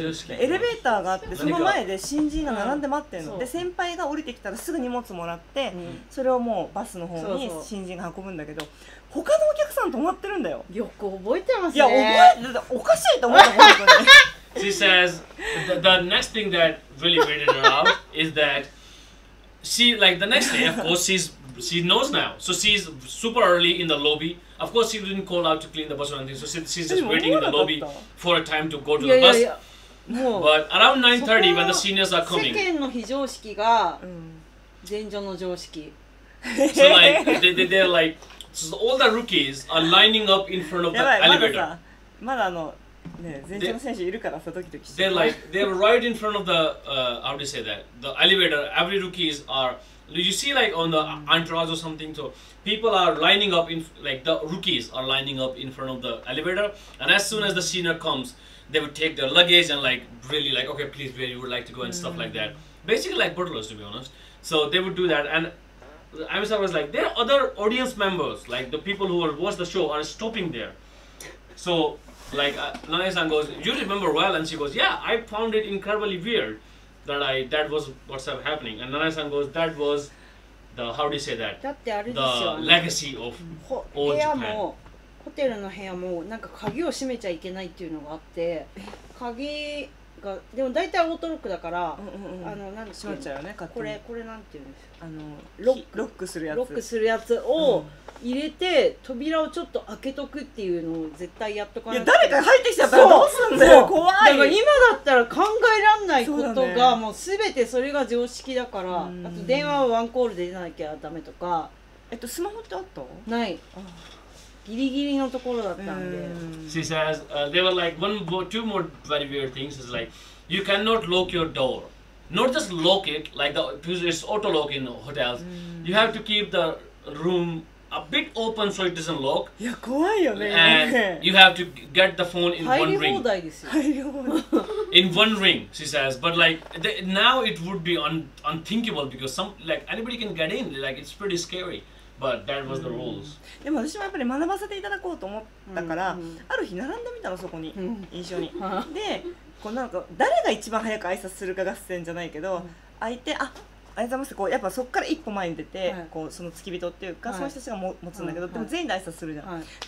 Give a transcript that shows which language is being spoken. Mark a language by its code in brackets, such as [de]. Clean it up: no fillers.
[ja] エレベーターがあって、その前で新人が並んで待ってるの。で、先輩が降りてきたらすぐ荷物もらって、うん、それをもうバスの方に新人が運ぶんだけど、そうそう、他のお客さん止まってるんだよ。よく覚えてますね。いや、覚えてた。おかしいと思ったの。 [en] She says, the next thing that really weirded her out is that she, like, the next day, of course, she knows now. So she's super early in the lobby. Of course, she didn't call out to clean the bus or anything, so she's just waiting in the lobby for a time to go to the bus. But around 9:30, when the seniors are coming, [ja] 世間の非常識が前場の常識。 [en] So like, they're like, so all the rookies are lining up in front of the elevator. [ja] まだあのね、前場の選手いるからさ、ドキドキして。 [en] They're like, they're right in front of the, how do you say that? The elevator, every rookies are... You see like on the entourage or something, so people are lining up, in like the rookies are lining up in front of the elevator, and as soon as the senior comes, they would take their luggage and like really like, okay, please where you would like to go and stuff like that. Basically like butlers, to be honest. So they would do that, and Amisa was like, there are other audience members, like the people who watch the show are stopping there. So like Nanae-san goes, you remember well, and she goes, yeah, I found it incredibly weird. That was what's happening. And Nanae-san goes, that was the, how do you say that? That's the legacy of old Japan. The hotel's room, you can't close the door. [ja] が、でも大体オートロックだから、うんうんうん、あの、閉まっちゃうよね、勝手に。これなんていうんですか、あのロックするやつ。ロックするやつを入れて、扉をちょっと開けとくっていうのを絶対やっとかないと。いや、誰か入ってきたらどうすんだよ、怖い。だから今だったら考えらんないことが、ね、もう全てそれが常識だから、あと電話はワンコールで出なきゃダメとか。スマホってあった？ない。ギリギリのところだったんで。 [en] She says, there were like one more, two more very weird things. It's like, you cannot lock your door. Not just lock it, like the, because it's auto lock in hotels. You have to keep the room a bit open so it doesn't lock. [ja] いや、怖いよね。 [en] And you have to get the phone in one ring. [ja] 入り放題ですよ。 [en] In one ring, she says. But like, now it would be unthinkable because some, like, anybody can get in. Like, it's pretty scary. But that was the rules. [ja] でも私もやっぱり学ばせていただこうと思ったから、ある日並んでみたのそこに、印象に。で、こうなんか誰が一番早く挨拶するか合戦じゃないけど、相手、あ、ありがとうございます。こうやっぱそこから一歩前に出て、はい、こうその付き人っていうか、はい、その人たちが持つんだけど、はい、でも全員で挨拶するじゃん、はい。